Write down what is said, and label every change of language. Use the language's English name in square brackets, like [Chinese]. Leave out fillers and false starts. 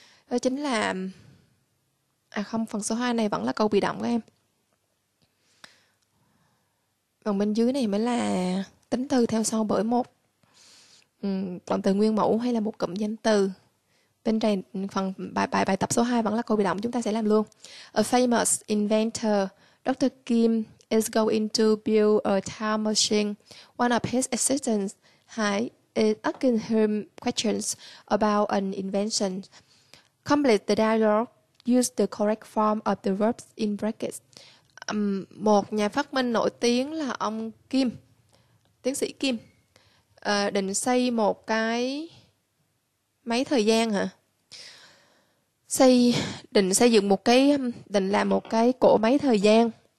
[Vietnamese] Đó chính là, à không, phần số 2 này vẫn là câu bị động của em. Phần bên dưới này mới là tính từ theo sau bởi một động từ nguyên mẫu hay là một cụm danh từ. Bên trên phần bài bài bài tập số 2 vẫn là câu bị động, chúng ta sẽ làm luôn. [English] A famous inventor, Dr. Kim is going to build a time machine. One of his assistants Hi, is asking him questions about an invention. Complete the dialogue. Use the correct form of the verbs in brackets. [Vietnamese] Một nhà phát minh nổi tiếng là ông Kim, tiến sĩ Kim, định xây một cái máy thời gian hả? định làm một cái cỗ máy thời gian.